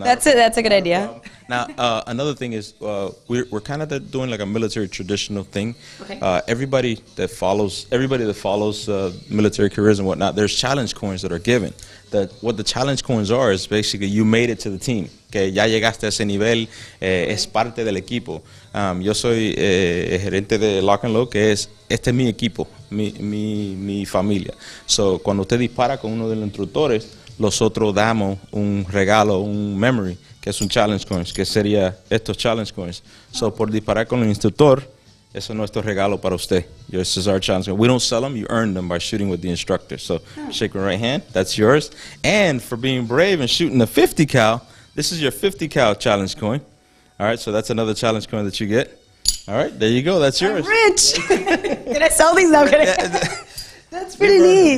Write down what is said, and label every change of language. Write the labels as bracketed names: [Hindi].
[English] That's a good idea. Now, another thing is, we're kind of doing like a military traditional thing. Okay. Everybody that follows military careers and whatnot, there's challenge coins that are given. That what the challenge coins are is basically you made it to the team. [Spanish] Que ya llegaste a ese nivel, es parte del equipo. Yo soy gerente de Lock and Load, que es, este es mi equipo, mi familia. So, cuando usted dispara con uno de los instructores, los otros damos un regalo, un memory, que es un challenge coins, que sería estos challenge coins. So, por disparar con el instructor, eso es nuestro regalo para usted. [English] This is our challenge. We don't sell them. You earn them by shooting with the instructor. So, shake your right hand. That's yours. And for being brave and shooting the 50 cal, this is your 50 cal challenge coin. All right. So, that's another challenge coin that you get. All right. There you go. That's yours. I'm rich. Can I sell these now? That's pretty neat.